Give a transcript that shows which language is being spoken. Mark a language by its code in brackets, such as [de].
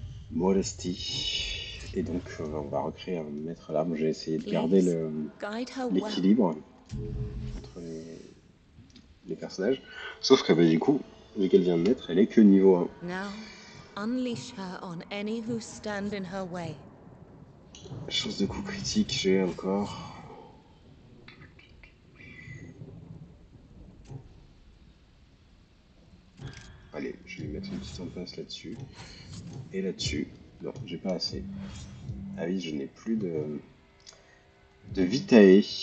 [fr] Modesty. Et donc on va recréer un maître lame. J'ai essayé de garder l'équilibre entre les personnages. Sauf que bah, du coup, vu qu'elle vient de naître, elle est que niveau 1. [en] Unleash her on any who stand in her way. [fr] Chance de coup critique, j'ai encore. Allez, je vais mettre une petite emphase là-dessus. Et là-dessus. Non, j'ai pas assez. Ah oui, je n'ai plus de Vitae.